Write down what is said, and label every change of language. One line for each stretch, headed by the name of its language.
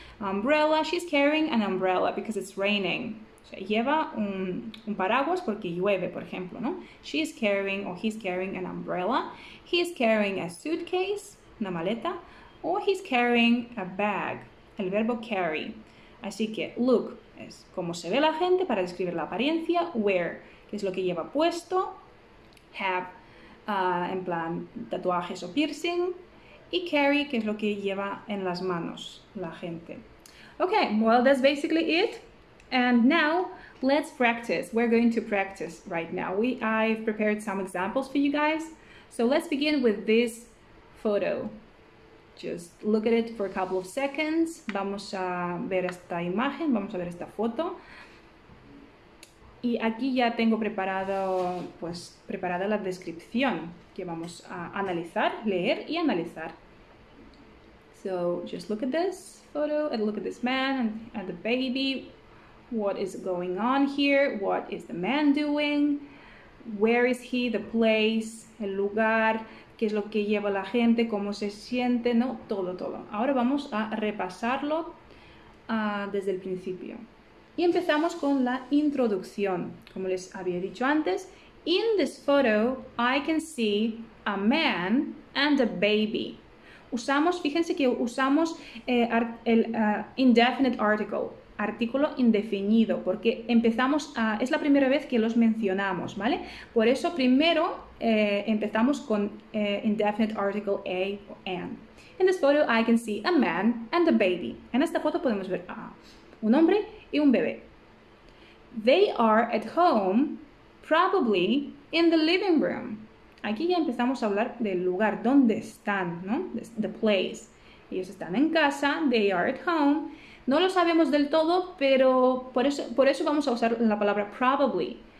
English: Umbrella, she's carrying an umbrella because it's raining.
Spanish: O sea, lleva un paraguas porque llueve, por ejemplo, ¿no?
English: She's carrying or he's carrying an umbrella. He's carrying a suitcase,
Spanish: una maleta,
English: or he's carrying a bag, el verbo carry.
Spanish: Así que look es cómo se ve la gente para describir la apariencia. Wear, que es lo que lleva puesto. Have, en plan tatuajes o piercing. Y carry, que es lo que lleva en las manos la gente.
English: Okay, well, that's basically it. And now, let's practice. We're going to practice right now. I've prepared some examples for you guys. So let's begin with this photo. Just look at it for a couple of seconds.
Spanish: Vamos a ver esta imagen, vamos a ver esta foto. Y aquí ya tengo preparada la descripción que vamos a analizar, leer y analizar.
English: So, just look at this photo and look at this man and the baby. What is going on here? What is the man doing? Where is he? The place,
Spanish: el lugar. Qué es lo que lleva la gente, cómo se siente, ¿no? Todo, todo. Ahora vamos a repasarlo desde el principio. Y empezamos con la introducción. Como les había dicho antes,
English: in this photo, I can see a man and a baby.
Spanish: Fíjense que usamos el indefinite article, artículo indefinido, porque empezamos a, es la primera vez que los mencionamos, ¿vale? Por eso primero empezamos con indefinite article A o an.
English: In this photo I can see a man and a baby.
Spanish: En esta foto podemos ver a un hombre y un bebé.
English: They are at home, probably in the living room.
Spanish: Aquí ya empezamos a hablar del lugar donde están, ¿no?
English: The place.
Spanish: Ellos están en casa,
English: they are at home.
Spanish: No lo sabemos del todo, pero por eso vamos a usar la palabra probably.